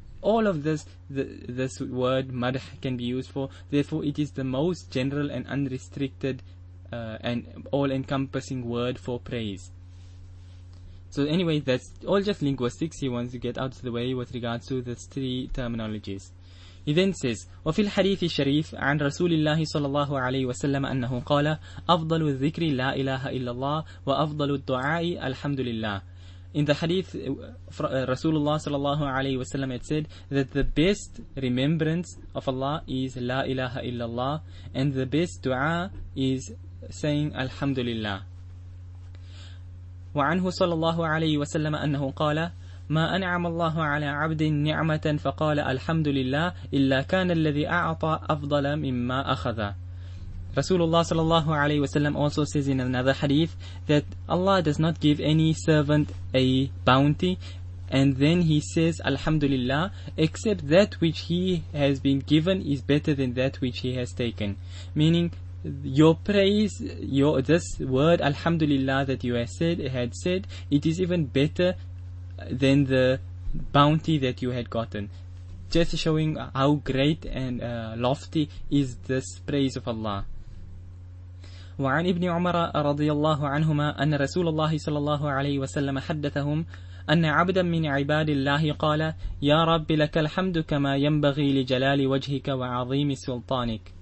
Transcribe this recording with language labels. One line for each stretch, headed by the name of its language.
English: All of this, this word madh can be used for. Therefore, it is the most general and unrestricted and all-encompassing word for praise. So anyway, that's all just linguistics he wants to get out of the way with regards to the three terminologies. He then says,
Arabic: وفي الحديث الشريف عن رسول الله صلى الله عليه وسلم أنه قال أفضل الذكر لا إله إلا الله وأفضل الدعاء الحمد لله.
English: In the hadith, Rasulullah sallallahu alayhi wasallam had said that the best remembrance of Allah is La ilaha illallah, and the best dua is saying Alhamdulillah.
Arabic: وعنه صلى الله عليه وسلم أنه قال ما أنعم الله على عبد نعمة فقال الحمد لله إلا كان الذي أعطى أفضل مما أخذ.
English: Rasulullah sallallahu alayhi wasallam also says in another hadith that Allah does not give any servant a bounty And then he says, Alhamdulillah, except that which he has been given is better than that which he has taken. Meaning, your praise, this word Alhamdulillah that you had said, it is even better than the bounty that you had gotten. Just showing how great and lofty is this praise of Allah.
Arabic: وعن ابن عمر رضي الله عنهما أن رسول الله صلى الله عليه وسلم حدثهم أن عبدا من عباد الله قال يا رب لك الحمد كما ينبغي لجلال وجهك وعظيم سلطانك.